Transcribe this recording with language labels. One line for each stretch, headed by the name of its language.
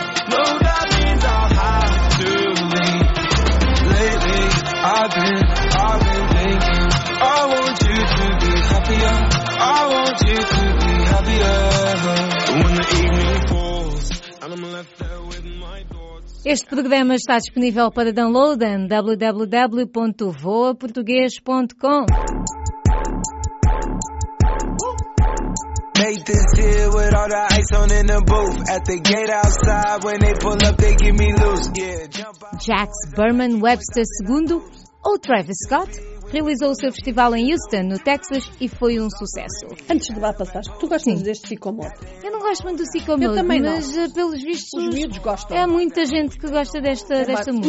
English: Know that means I'll have to leave. Lately I've been thinking I want you to be happier. I want you to be happier. When the evening falls and I'm left there with my thoughts.
Portuguese: Este programa está disponível para download em www.voaportugues.com.
English: Make this here with all the ice on in the booth. At the gate outside, when they pull up, they give me loose. Yeah, jump out.
Portuguese: Jax Berman Webster II, ou Travis Scott, realizou o seu festival em Houston, no Texas, e foi um sucesso. Antes de lá passar, tu gostas, sim, deste sicomoto? Eu não gosto muito do sicomoto. Eu também não. Mas, pelos vistos, os miúdos gostam. É muita gente que gosta desta música.